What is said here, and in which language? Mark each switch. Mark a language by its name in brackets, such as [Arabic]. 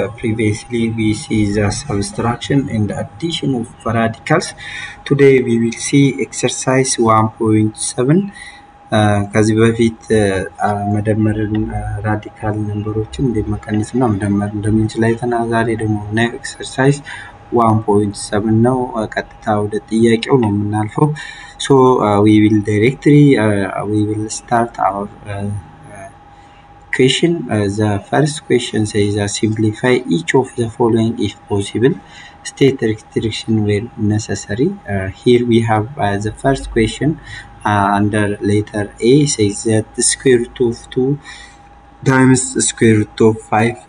[English] Previously, we see the substruction and addition of radicals. Today, we will see exercise 1.7. [Amharic] ከዚህ በፊት መደመርን ራዲካል ነምበሮችን እንዴት መቀነስ እና መደመር እንደምንችል አይተናል። ዛሬ ደግሞ ና ኤክሰርሳይዝ 1.7 ነው። ቀጥታ ወደ ጥያቄው ነው የምናልፈው። [English] ሶ ዊ ዊል ዳይሬክትሊ ዊ ዊል ስታርት አወር question. The first question says simplify each of the following if possible. State restriction where necessary. Here we have the first question under letter A says that the square root of 2 times square root of 5.